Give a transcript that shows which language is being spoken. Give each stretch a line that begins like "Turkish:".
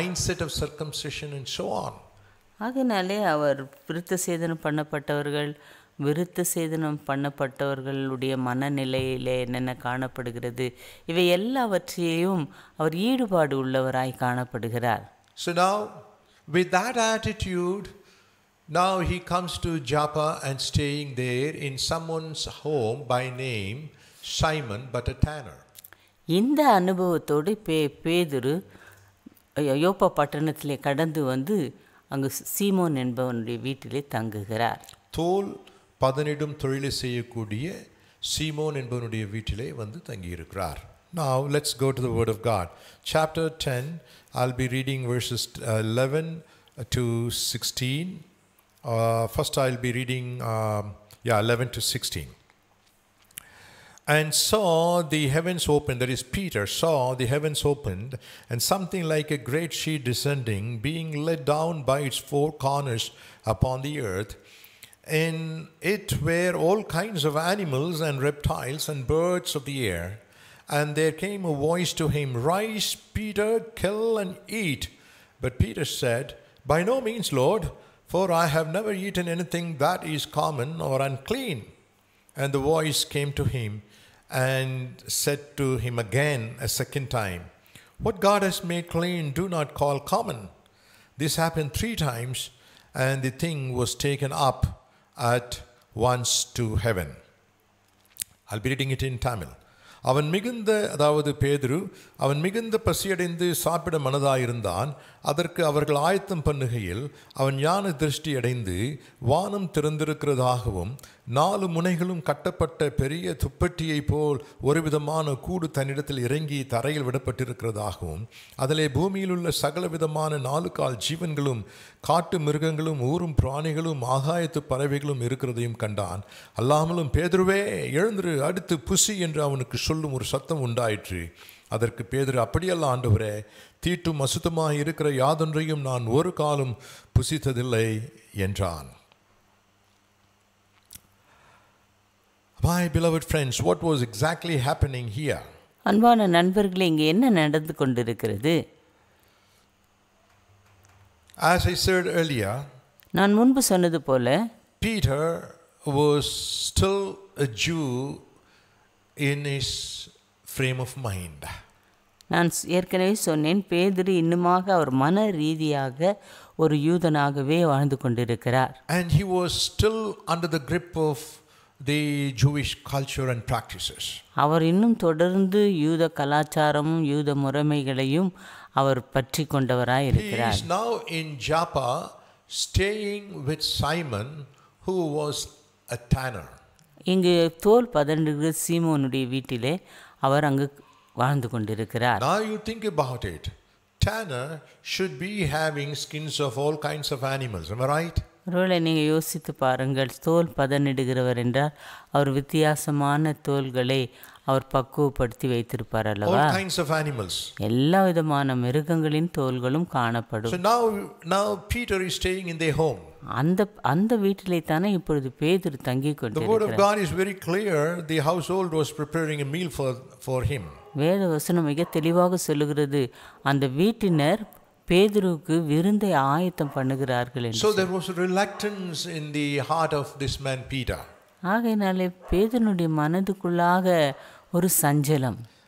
English: He was so closely acquainted with the circumcision group and circumcision and mindset of circumcision and so on.
Tamil: அதனாலே அவர் விருத்த சேதனம் பண்ணப்பட்டவர்கள், விருத்த சேதனம் பண்ணப்பட்டவர்களுடைய மனநிலையில் என்னென்ன காணப்படுகிறது, இவை எல்லாவற்றையும் அவர் ஈடுபாடு உள்ளவராய் காணப்படுகிறார்.
English: So now, with that attitude, now he comes to Joppa and staying there in someone's home by name Simon, but a tanner.
Tamil: இந்த அனுபவத்தோடு பேதுரு யோப்பா பட்டணத்திலே கடந்து வந்து அங்கு சீமோன் என்பவனுடைய வீட்டிலே தங்குகிறார். தோல் பதனிடும் தொழிலை செய்யக்கூடிய சீமோன் என்பவனுடைய வீட்டிலே வந்து தங்கியிருக்கிறார்.
English: Now let's go to the word of God. Chapter 10, I'll be reading verses 11 to 16. First I'll be reading 11 to 16. And saw the heavens opened, that is Peter, saw the heavens opened, and something like a great sheet descending, being let down by its four corners upon the earth. In it were all kinds of animals and reptiles and birds of the air. And there came a voice to him, Rise, Peter, kill and eat. But Peter said, By no means, Lord, for I have never eaten anything that is common or unclean. And the voice came to him and said to him again a second time, What God has made clean, do not call common. This happened three times, and the thing was taken up at once to heaven. I'll be reading it in Tamil.
Tamil: அவன் மிகுந்த, அதாவது பேதுரு, அவன் மிகுந்த பசியடைந்து சாப்பிட மனதாயிருந்தான். அதற்கு அவர்கள் ஆயத்தம் பண்ணுகையில் அவன் ஞான திருஷ்டி அடைந்து வானம் திறந்திருக்கிறதாகவும் நாலு முனைகளும் கட்டப்பட்ட பெரிய துப்பட்டியைப் போல் ஒரு விதமான கூடு தன்னிடத்தில் இறங்கி தரையில் விடப்பட்டிருக்கிறதாகவும் அதிலே பூமியிலுள்ள சகல விதமான நாலு கால் ஜீவன்களும் காட்டு மிருகங்களும் ஊரும் பிராணிகளும் ஆகாயத்து பறவைகளும் இருக்கிறதையும் கண்டான். அல்லாமலும் பேதுருவே எழுந்து அடுத்து புசி என்று அவனுக்கு சொல்லும் ஒரு சத்தம் உண்டாயிற்று. அதற்கு பேதுரு அப்படியல்ல ஆண்டவரே, தீட்டும் அசுத்தமாக இருக்கிற யாதொன்றையும் நான் ஒரு காலம் புசித்ததில்லை என்றான்.
English: My beloved friends, what was exactly happening here?
Tamil: அன்பான நண்பர்களே, இங்கே என்ன நடந்து கொண்டிருக்கிறது?
English: As I said earlier,
Tamil: நான் முன்பு சொன்னது போல,
English: Peter was still a Jew in his frame of mind.
Tamil: நான் ஏற்கனவே சொன்னேன், பேதுரு இன்னுமாக அவர் மன ரீதியாக ஒரு யூதனாகவே வாழ்ந்து கொண்டிருக்கிறார்.
English: And he was still under the grip of the Jewish culture and practices.
Tamil: அவர் இன்னும் தொடர்ந்து யூத கலாச்சாரமும் யூத முறைமைகளையும் அவர் பற்றி கொண்டவராய் இருக்கிறார்.
English: He is now in Joppa staying with Simon, who was a tanner.
Tamil: இங்கு தோல் பதனிடும் சீமோனுடைய வீட்டிலே அவர் அங்கு வாழ்ந்து கொண்டிருக்கிறார்.
English: Now you think about it. Tanner should be having skins of all kinds of animals, am I right?
Tamil: ரோலை நீங்கள் யோசித்து பாருங்கள், தோல் பதனிடுகிறவர் என்றால் அவர் வித்தியாசமான தோல்களை அவர் பக்குவப்படுத்தி வைத்திருப்பார் அல்லவா?
English: All kinds of animals.
Tamil: எல்லா விதமான மிருகங்களின் தோல்களும் காணப்படும்.
English: So now Peter is staying in their home.
Tamil: அந்த வீட்டிலே தானே இப்பொழுது பேதுரு தங்கிக் கொண்டிருக்கிறார்.
English: The word of God is very clear. The household was preparing a meal for him.
Tamil: வேத வசனம் மிக தெளிவாக சொல்கிறது, அந்த வீட்டினர் பேதுருக்கு விருந்தை ஆயத்தம் பண்ணுகிறார்கள் என்று.
English: So there was reluctance in the heart of this man Peter.
Tamil: ஆகையினாலே பேதுருடைய மனதுக்குள்ளாக ஒரு சஞ்சலம்.